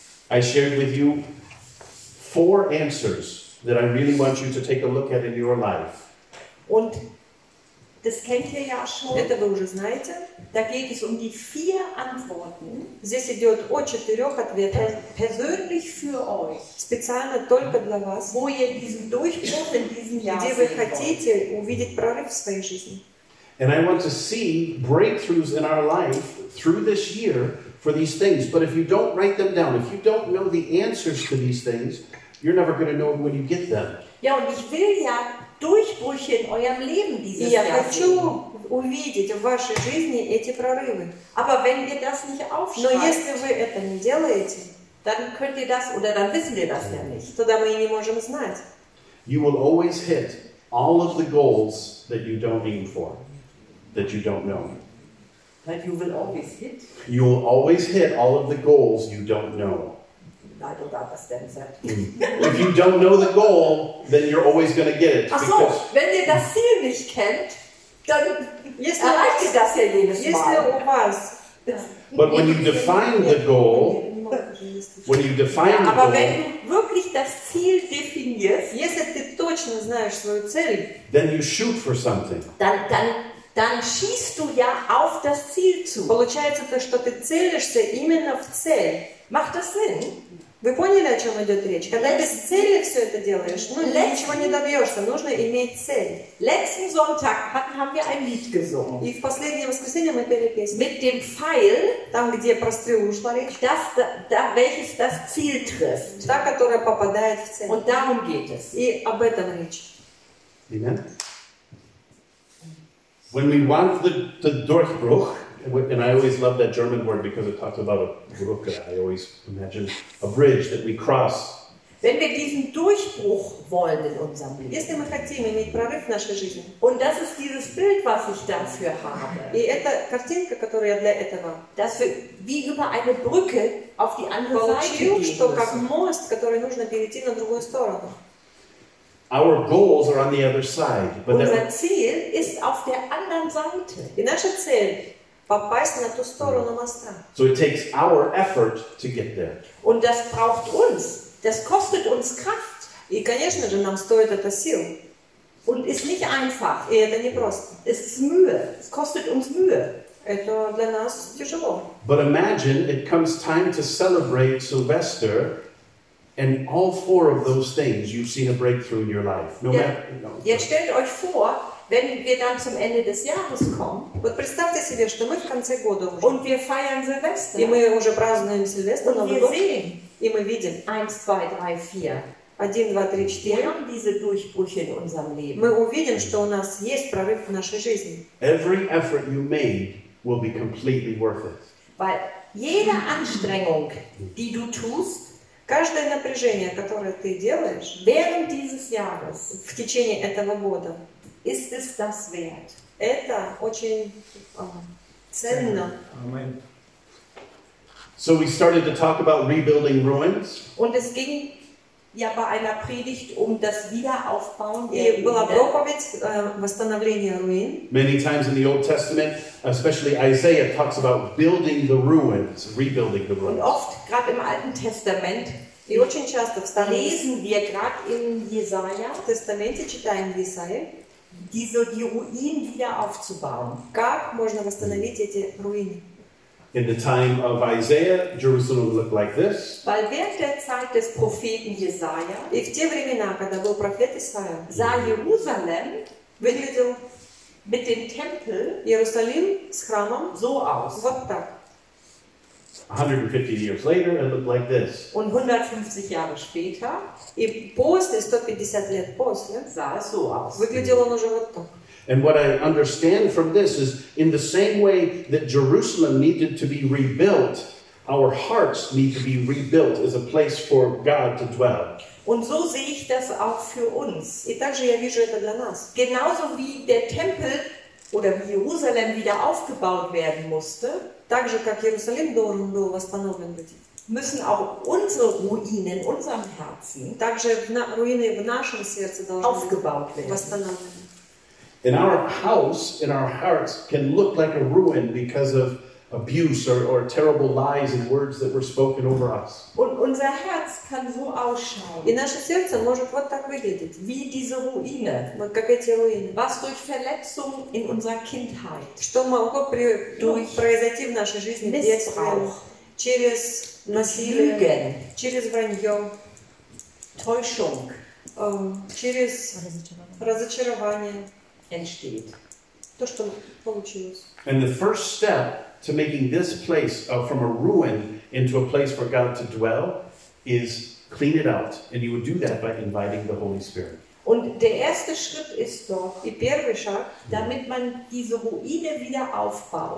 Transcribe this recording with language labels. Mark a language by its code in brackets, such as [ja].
[en] I shared with you four answers that I really want you to take a look at in your life. [de] Und das kennt ihr ja schon. [ru] Это вы уже знаете. [de] Da geht es die vier Antworten. [ru] Здесь идет о четырех ответах. [de] Persönlich für euch. [ru] Специально только для вас. [de] Wo ihr diesen Durchbruch in diesem Jahr sehen wollt. [ru] Где вы хотите увидеть прорыв в своей жизни. [en] And I want to see breakthroughs in our life through this year for these things. But if you don't write them down, if you don't know the answers to these things, you're never going to know when you get them. [de] Ja, und ich will ja Durchbrüche in eurem Leben dieses Jahr. [ru] Ich хочу увидеть в вашей жизни эти прорывы. [de] Aber wenn ihr das nicht aufschreibt, [ru] но если вы это не делаете, [de] dann könnt ihr das oder dann wissen wir das ja nicht. [ru] Тогда мы не можем знать. [en] You will always hit all of the goals that you don't aim for, that you don't know. That you will always hit. You will always hit all of the goals you don't know. If you don't know the goal, then you're always going to get it. [de] Ach so, wenn ihr das Ziel nicht kennt, dann erreicht ihr das ja jedes Mal. [en] But when you define the goal, when you define the goal, [de] aber wenn du wirklich das Ziel definierst, [ru] если ты точно знаешь свою цель, [en] then you shoot for something. [de] Dann schießt du ja auf das Ziel zu. [ru] Получается то, что ты целишься именно в цель. [de] Macht das Sinn? [ru] Вы поняли, о чем идет речь? Когда ты с целью все это делаешь, ну, ничего не добьешься, нужно иметь цель. [de] Letzten Sonntag haben wir ein Lied gesungen. [ru] И в последнее воскресенье мы пели песню. [de] Mit dem Pfeil, [ru] там, где про стрелу шла речь, [de] welches das Ziel trifft. [ru] Та, которая попадает в цель. [de] Und darum geht es. [ru] И об этом речь. Amen. [en] When we want the Durchbruch, and I always love that German word because it talks about a Brücke. I always imagine a bridge that we cross. [de] Wenn wir diesen Durchbruch wollen in unserem Leben. [ru] Если мы хотим иметь прорыв в нашей жизни. [de] Und das ist dieses Bild, was ich dafür habe. [ru] И это картинка, которую я для этого. [de] Dass wir wie über eine Brücke auf die andere Seite gehen müssen. [ru] Что как мост, который нужно перейти на другую сторону. [en] Our goals are on the other side. [de] But unser Ziel ist auf der anderen Seite. [ru] И наше цель. Попасть на ту сторону моста. [en] So it takes our effort to get there. [de] Und das braucht uns. Das kostet uns Kraft. [ru] И, конечно же, нам стоит это сил. [de] Und ist nicht einfach. [ru] И это не просто. [de] Es ist Mühe. Es kostet uns Mühe. [ru] Это для нас тяжело. [en] But imagine it comes time to celebrate Sylvester and all four of those things you've seen a breakthrough in your life. No matter, no. [de] Jetzt stellt euch vor, wenn wir dann zum Ende des Jahres kommen, [ru] вот представьте себе, что мы в конце года уже. [de] Und wir feiern Silvester. [ru] И мы уже празднуем Сильвестр, Новый год. Sehen. И мы видим. 1, 2, 3, 4. 1, 2, 3, 4. [de] Wir haben diese Durchbrüche in unserem Leben. [ru] Мы увидим, что у нас есть прорыв в нашей жизни. [en] Every effort you made will be completely worth it. [de] Weil jede Anstrengung, die du tust, [ru] каждое напряжение, которое ты делаешь, [de] während dieses Jahres, [ru] в течение этого года, [de] ist es das wert? [ru] Это очень ценно. Amen. [en] So we started to talk about rebuilding ruins. [de] Und es ging Я бы она предит ум до свида aufbauen. [ru] И была проповедь восстановление руин. [en] Many times in the Old Testament, especially Isaiah, talks about building the ruins, rebuilding the ruins. [de] Und oft gerade im Alten Testament. [ru] И очень часто в Старом Лесен Вьеград и Есая в Тестаменте читаем в Исаии, [de] diese die Ruinen wieder aufzubauen. [ru] Как можно восстановить эти руины? [en] In the time of Isaiah, Jerusalem looked like this. [de] Weil während der Zeit des Propheten Jesaja, [ru] и в те времена, когда был пророк Исаия, за Иерусалим выглядел [de] mit dem Tempel [ru] Иерусалим с храмом [de] so aus. [ru] Вот так. [en] 150 years later, it looked like this. [de] Und 150 Jahre später, [ru] и после 150 лет после, [de] sah es so aus. [ru] Выглядел он уже вот так. [en] And what I understand from this is, in the same way that Jerusalem needed to be rebuilt, our hearts need to be rebuilt as a place for God to dwell. [de] Und so sehe ich das auch für uns. [ru] И также я вижу это для нас. [de] Genauso wie der Tempel oder wie Jerusalem wieder aufgebaut werden musste. [ru] Также как Иерусалим должен был восстановлен быть. [de] Müssen auch unsere Ruinen in unserem Herzen. [ru] Также руины в нашем сердце должны [de] aufgebaut werden. [ru] Восстановлены. [en] In our house, in our hearts, can look like a ruin because of abuse or terrible lies and words that were spoken over us. [de] Und unser Herz kann so ausschauen. [ru] И наше сердце может вот так выглядеть. [de] Wie diese Ruine. [ru] Вот как эти руины. [de] Was durch Verletzung in unserer Kindheit. [ru] Что могло произойти в нашей жизни в детстве. Через насилие. [de] Lügen. [ru] Через вранье. [de] Täuschung. [ru] Через разочарование. [de] Entsteht. [ru] То, что получилось. [en] And the first step to making this place from a ruin into a place for God to dwell is clean it out. And you would do that by inviting the Holy Spirit. [de] Und der erste Schritt ist doch, die [ru] первый шаг, [de] damit man diese Ruine wieder aufbaut.